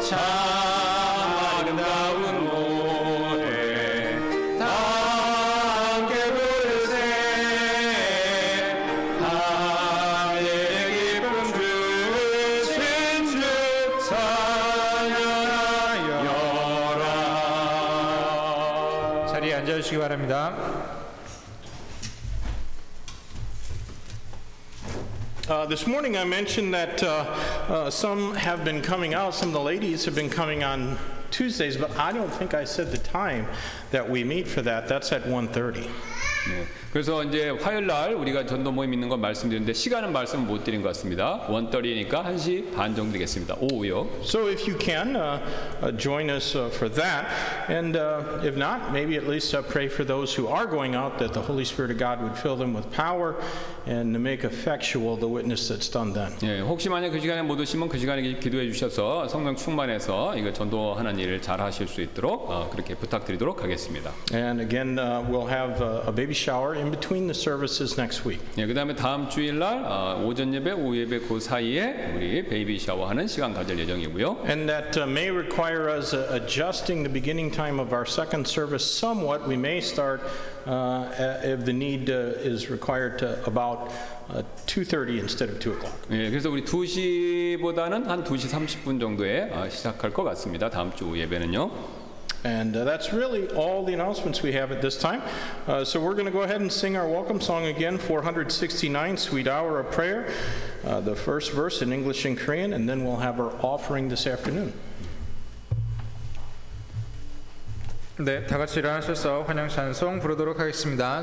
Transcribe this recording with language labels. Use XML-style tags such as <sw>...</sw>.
<ko>참 아름다운 노래 다 함께 부르세. 하늘의 기쁨 주신 주 찬양하여라. 자리에 앉아주시기 바랍니다.</ko> <en>This morning I mentioned that some have been coming out, some of the ladies have been coming on Tuesdays, but I don't think I said the time that we meet for that. That's at 1:30.</en> <ko>그래서 이제 화요일 날 우리가 전도 모임 있는 건 말씀드렸는데 시간은 말씀 못 드린 것 같습니다. 1:30니까 1시 반 정도 되겠습니다. 오후요.</ko> <en>So if you can join us for that and if not maybe at least pray for those who are going out that the Holy Spirit of God would fill them with power and make effectual the witness that's done then.</en> <ko>예, 혹시 만약 그 시간에 못 오시면 그 시간에 기도해 주셔서 성령 충만해서 이거 전도하는 일을 잘 하실 수 있도록 그렇게 부탁드리도록 하겠습니다.</ko> <en>And again we'll have a baby shower in between the services next week.</en> <ko>예, 그다음에 다음 주일날 오전 예배, 오후 예배 그 사이에 우리 베이비 샤워하는 시간 가질 예정이고요.</ko> <en>And that may require us adjusting the beginning time of our second service somewhat. We may start if the need is required to about 2:30 instead of 2 o'clock.</en> <ko>예, 그래서 우리 2시보다는 한 2시 30분 정도에 시작할 것 같습니다. 다음 주 예배는요.</ko> <en>And that's really all the announcements we have at this time. So we're going to go ahead and sing our welcome song again, 469, Sweet Hour of Prayer. The first verse in English and Korean, and then we'll have our offering this afternoon.</en> <ko>네, 다 같이 일어나셔서 환영 찬송 부르도록 하겠습니다.</ko>